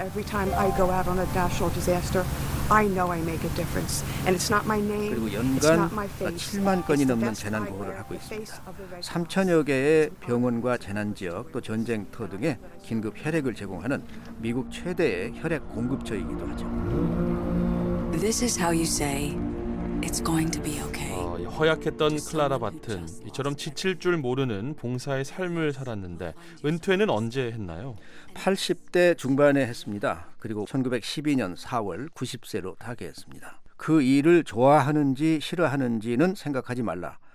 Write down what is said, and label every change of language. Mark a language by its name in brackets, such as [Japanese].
[English] Every time I go out on a natural disaster, I know I make a difference. And it's not my name. [Korean] 그리고 연간 7만 건이 넘는 재난 구호를 하고 있습니다. 3천여 개의 병원과 재난 지역, 또 전쟁터 등에 긴급 혈액을 제공하는 미국 최대의 혈액 공급처이기도 하죠. [English] This is how you say it's going to be okay. [Korean] 허약했던 클라라 바튼, 이처럼 지칠 줄 모르는 봉사의 삶을 살았는데 은퇴는 언제 했나요? 80대 중반에 했습니다. 그리고 1912년 4월 90세로 타계했습니다. 그 일을 좋아하는지 싫어하는지는 생각하지 말라.